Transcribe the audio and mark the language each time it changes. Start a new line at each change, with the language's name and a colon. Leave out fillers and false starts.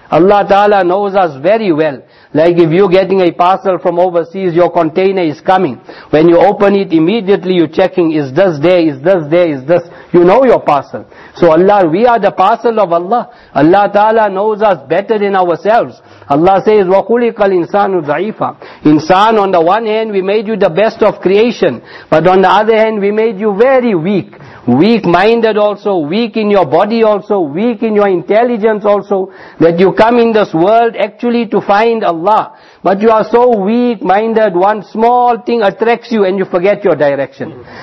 English: Allah Ta'ala knows us very well. Like if you're getting a parcel from overseas, your container is coming. When you open it, immediately you're checking, is this there, is this there, is this. You know your parcel. So Allah, we are the parcel of Allah. Allah Ta'ala knows us better than ourselves. Allah says,
Arabic: وَخُلِقَ الْإِنسَانُ ضَعِيفًا.
English: Insan, on the one hand, we made you the best of creation. But on the other hand, we made you very weak. Weak-minded also, weak in your body also, weak in your intelligence also, that you come in this world actually to find Allah. But you are so weak-minded, one small thing attracts you and you forget your direction.